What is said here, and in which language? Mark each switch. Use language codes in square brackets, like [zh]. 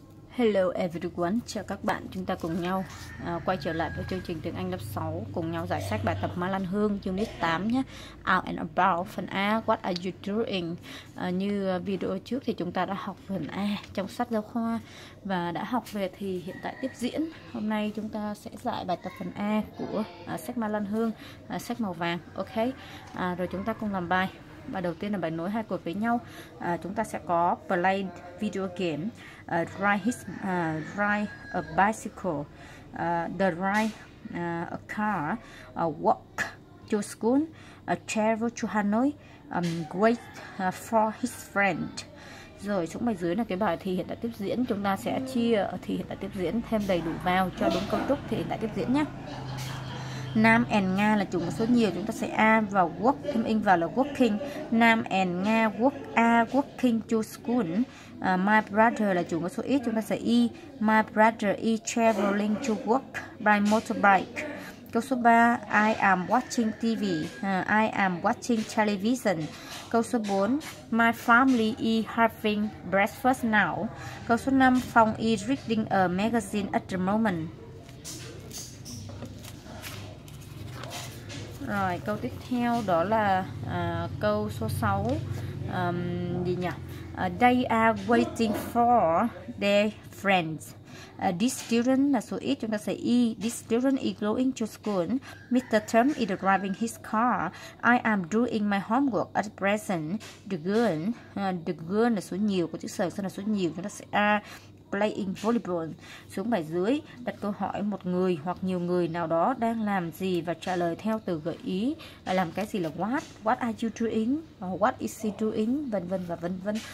[en] Hello everyone, [vi] chào các bạn, chúng ta cùng nhau quay trở lại với chương trình tiếng Anh lớp 6, cùng nhau giải sách bài tập Ma Lan Hương unit 8 nhé. [en] Out and about [vi] phần A, [en] what are you doing? [vi] Như video trước thì chúng ta đã học phần A trong sách giáo khoa và đã học về thì hiện tại tiếp diễn. Hôm nay chúng ta sẽ giải bài tập phần A của sách Ma Lan Hương, sách màu vàng, ok? Rồi chúng ta cùng làm bài. Và đầu tiên là bài nối hai cuộc với nhau. Chúng ta sẽ có [en] play video game, ride a bicycle, drive a car, walk to school, travel to Hanoi, wait for his friend. [vi] Rồi xuống bài dưới là cái bài thì hiện tại tiếp diễn. Chúng ta sẽ chia thì hiện tại tiếp diễn thêm đầy đủ vào cho đúng cấu trúc thì hiện tại tiếp diễn nhé. Nam and Nga là chủ ngữ số nhiều, chúng ta sẽ A vào work, thêm in vào là working. [en] Nam and Nga work A working to school. My brother [vi] là chủ ngữ số ít, chúng ta sẽ E. [en] My brother is traveling to work by motorbike. [vi] Câu số 3, [en] I am watching TV. I am watching television. [vi] Câu số 4, [en] my family is having breakfast now. [vi] Câu số 5, [en] Phong is reading a magazine at the moment. [vi] Rồi, câu tiếp theo đó là câu số 6, gì nhỉ? [en] They are waiting for their friends. This student [vi] là số ít, chúng ta sẽ E. [en] This student is going to school. Mr. Tom is driving his car. I am doing my homework at present. [vi] The girl là số nhiều, có chữ sở, sau là số nhiều, chúng ta sẽ A. [en] Playing volleyball. [vi] Xuống bài dưới, đặt câu hỏi một người hoặc nhiều người nào đó đang làm gì và trả lời theo từ gợi ý là làm cái gì là what, [en] what are you doing, what is she doing, [vi] vân vân và vân vân.